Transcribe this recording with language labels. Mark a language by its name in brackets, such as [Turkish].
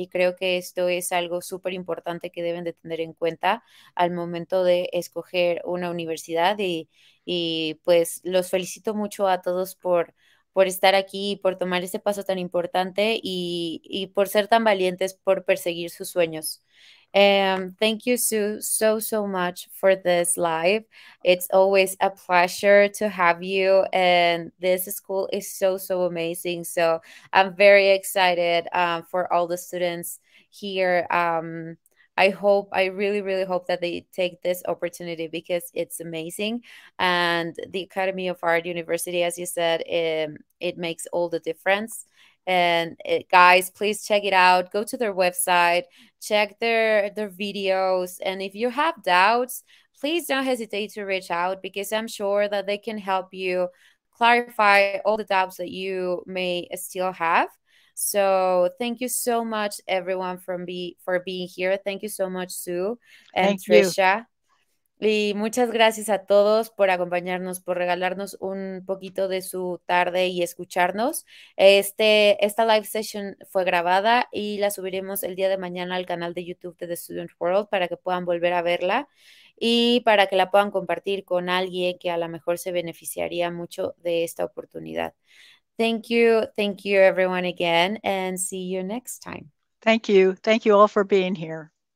[Spanish] Y creo que esto es algo súper importante que deben de tener en cuenta al momento de escoger una universidad. Y pues los felicito mucho a todos por estar aquí y por tomar este paso tan importante y por ser tan valientes por perseguir sus sueños. [English] Thank you, Sue, so much for this live. It's always a pleasure to have you, and this school is so amazing. So I'm very excited for all the students here. I really hope that they take this opportunity because it's amazing. And the Academy of Art University, as you said, it makes all the difference. And guys, please check it out. Go to their website, check their videos, and if you have doubts, please don't hesitate to reach out because I'm sure that they can help you clarify all the doubts that you may still have. So thank you so much, everyone, for being here. Thank you so much, Sue and Thank you. Trisha. [Spanish] Y muchas gracias a todos por acompañarnos, por regalarnos un poquito de su tarde y escucharnos. Esta live session fue grabada y la subiremos el día de mañana al canal de YouTube de The Student World para que puedan volver a verla y para que la puedan compartir con alguien que a lo mejor se beneficiaría mucho de esta oportunidad. [English] Thank you everyone again, and see you next time. Thank you. Thank you all for being here.